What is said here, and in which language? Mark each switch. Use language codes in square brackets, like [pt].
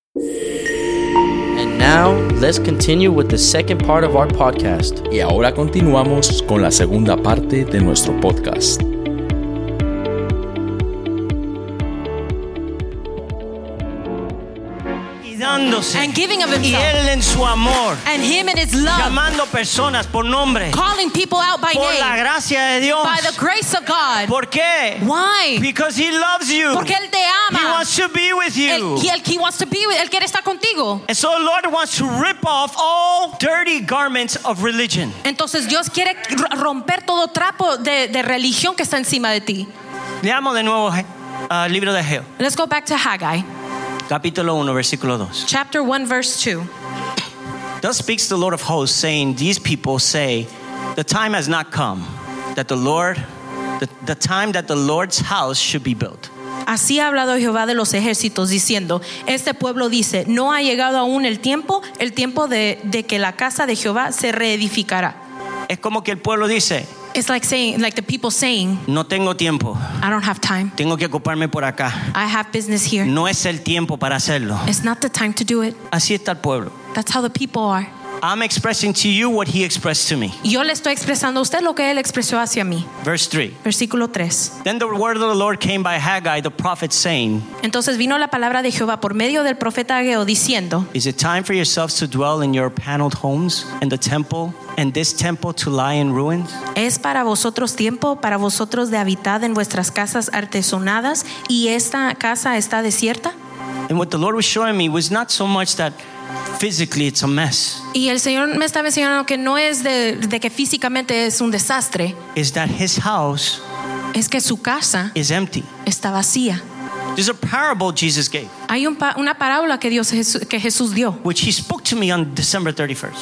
[en] And now, let's continue with the second part of our podcast. [es] Y ahora continuamos con la segunda parte de nuestro podcast. [en] And giving of himself. [es] Y él en su amor. [en] And him in his love. [es] Llamando personas por nombre. [en] Calling people out by [es] por [en] name. [es] La gracia de Dios. [en] By the grace of God. [es] ¿Por qué? [en] Why? Because he loves you. [es] Porque él te ama. [en] He wants to be with you. He wants to be with, [es] él quiere estar contigo. [en] And so the Lord wants to rip off all dirty garments of religion. [es] Entonces Dios quiere romper todo trapo de religión que está encima de ti. Leamos de nuevo el libro de Hageo. [en] Let's go back to Haggai. [es] Capítulo 1, versículo 2. [en] Chapter 1, verse 2. Thus speaks the Lord of hosts, saying, these people say, the time has not come that the Lord, the time that the Lord's house should be built. [es] Así ha hablado Jehová de los ejércitos, diciendo, este pueblo dice, no ha llegado aún el tiempo de que la casa de Jehová se reedificará. Es como que el pueblo dice, [en] it's like saying, like the people saying, [es] no tengo tiempo. [en] I don't have time. [es] Tengo que ocuparme por acá. [en] I have business here. [es] No es el tiempo para hacerlo. [en] It's not the time to do it. [es] Así está el pueblo. [en] That's how the people are. I'm expressing to you what he expressed to me. [es] Yo le estoy expresando a usted lo que él expresó hacia mí. [en] Verse 3. [es] Versículo 3. [en] Then the word of the Lord came by Haggai the prophet saying. [es] Entonces vino la palabra de Jehová por medio del profeta Hageo diciendo. [en] Is it time for yourselves to dwell in your paneled homes and the temple and this temple to lie in ruins? [es] ¿Es para vosotros tiempo para vosotros de habitar en vuestras casas artesonadas y esta casa está desierta? [en] And what the Lord was showing me was not so much that physically it's a mess. [es] Y el Señor me estaba enseñando que no es de que físicamente es un desastre. [en] Is that his house? [es] Es que su casa [en] is empty. [es] Está vacía. [en] There's a parable Jesus gave. [es] Hay una parábola que Dios que Jesús dio. [en] Which he spoke to me on December 31st.